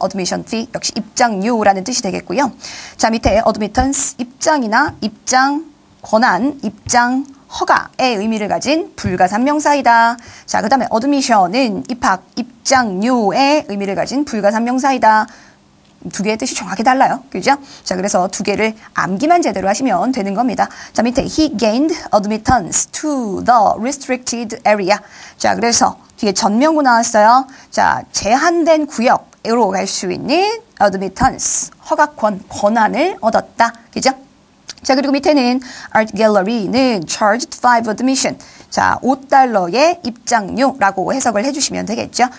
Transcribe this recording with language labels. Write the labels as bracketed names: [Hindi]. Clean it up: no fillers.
[Korean] admission fee 역시 입장료라는 뜻이 되겠고요. 자, 밑에 admittance 입장이나 입장 권한, 입장 허가의 의미를 가진 불가산명사이다. 자, 그 다음에 admission은 입학, 입장료의 의미를 가진 불가산명사이다. 두 개의 뜻이 정확히 달라요. 그죠? 자, 그래서 두 개를 암기만 제대로 하시면 되는 겁니다. 자, 밑에 [English] he gained admittance to the restricted area. [Korean] 자, 그래서 뒤에 전명구 나왔어요. 자, 제한된 구역으로 갈 수 있는 admittance, 허가권, 권한을 얻었다. 그죠? 자, 그리고 밑에는 [English] Art Gallery는 charged 5 admission. [Korean] 자, 5달러의 입장료라고 해석을 해주시면 되겠죠.